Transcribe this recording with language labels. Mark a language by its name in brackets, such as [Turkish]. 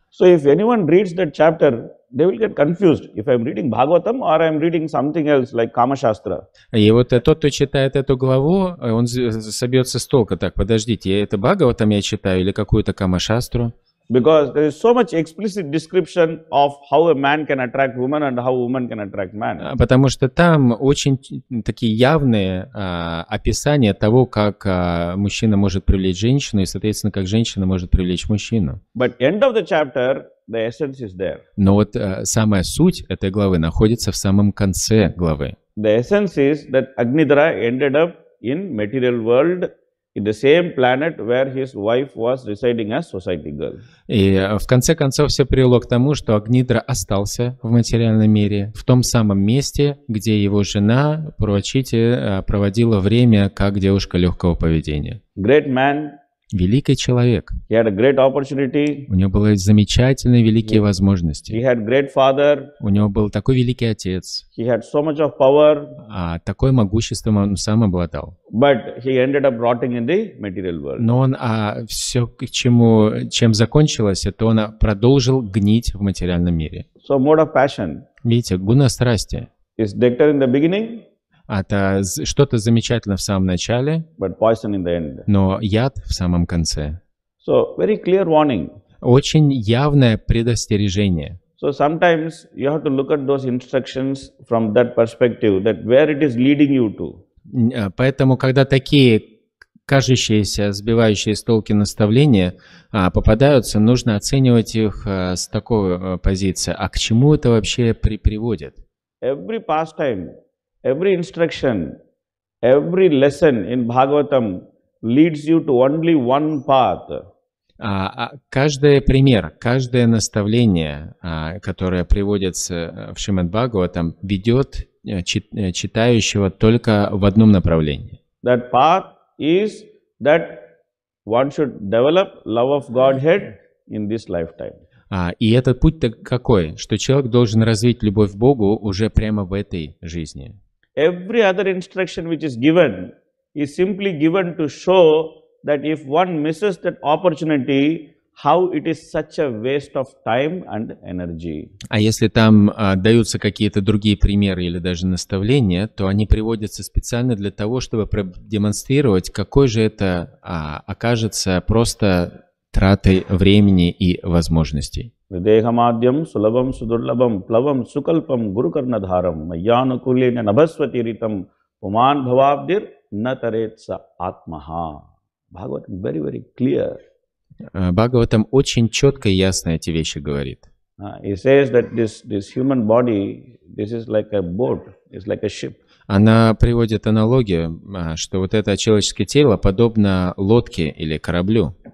[English] So if anyone reads that chapter, they will get confused if I'm reading Bhagavatam or I'm reading something else like Kama Shastra. [Russian] И вот тот, кто читает эту главу, он собьется с толка. Так, подождите, это Бхагаватам я читаю или какую-то Кама Шастру? [English] Because there is so much explicit description of how a man can attract woman and how woman can attract man. [Russian] Потому что там очень такие явные описания того, как мужчина может привлечь женщину и, соответственно, как женщина может привлечь мужчину. [English] But end of the chapter, the essence is there. [Russian] Но вот самая суть этой главы находится в самом конце главы. [English] The essence is that Agnidra ended up in material world. In the same planet where his wife was residing as society girl. [Russian] И в конце концов все привело к тому, что Агнидра остался в материальном мире, в том самом месте, где его жена Пурвачити проводила время как девушка легкого поведения. [English] Great man. [Russian] Великий человек. [English] He had a great opportunity. [Russian] У него были замечательные великие возможности. [English] He had great father. [Russian] У него был такой великий отец. [English] He had so much of power. [Russian] А такое могущество он сам обладал. [English] But he ended up rotting in the material world. [Russian] Но он все, чем закончилось, это он продолжил гнить в материальном мире. [English] So mode of passion. [Russian] Видите, гуна страсти. [English] Is nectar in the beginning? [Russian] Это что-то замечательное в самом начале, [English] but poison in the end. [Russian] Но яд в самом конце. [English] So, very clear warning. [Russian] Очень явное предостережение. [English] So sometimes you have to look at those instructions from that perspective, that where it is leading you to. [Russian] Поэтому, когда такие кажущиеся, сбивающие с толку наставления попадаются, нужно оценивать их с такой позиции. А к чему это вообще приводит? [English] Every pastime. Every instruction, every lesson in Bhagavatam leads you to only one path. [Russian] Каждый пример, каждое наставление, которое приводится в Шримад-Бхагаватам, ведет читающего только в одном направлении. [English] That path is that one should develop love of Godhead in this lifetime. [Russian] И этот путь-то какой? Что человек должен развить любовь к Богу уже прямо в этой жизни. [English] Every other instruction which is given is simply given to show that if one misses that opportunity, how it is such a waste of time and energy. [Russian] А если там даются какие-то другие примеры или даже наставления, то они приводятся специально для того, чтобы продемонстрировать, какой же это окажется просто тратой времени и возможностей. [Sanskrit] Videhamadhyam sulabham sudurlabham plavam sukalpam gurukarnadharam mayyanukulena nabhasvatiritam puman bhavabdir nataretsa atmaha. [English] Bhagavatam very very clear. [Russian] Bhagavatam очень четко и ясно эти вещи говорит. [English] He says that this human body, this is like a boat, it's like a ship. [Russian] Она приводит аналогию, что вот это человеческое тело подобно лодке или кораблю.